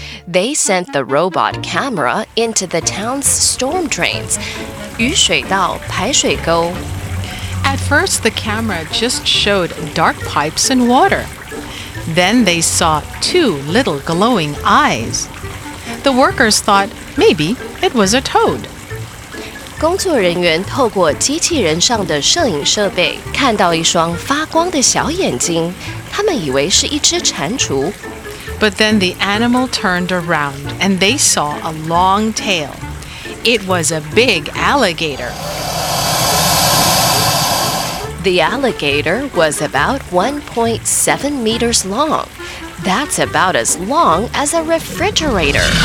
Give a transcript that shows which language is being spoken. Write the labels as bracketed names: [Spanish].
[English] They sent the robot camera into the town's storm drains, [Chinese] 雨水道排水沟. [English] At first, the camera just showed dark pipes and water. Then they saw two little glowing eyes. The workers thought,Maybe it was a toad. [Chinese] 工作人员透过机器人上的摄影设备看到一双发光的小眼睛，他们以为是一只蟾蜍。 [English] But then the animal turned around and they saw a long tail. It was a big alligator. The alligator was about 1.7 meters long. That's about as long as a refrigerator.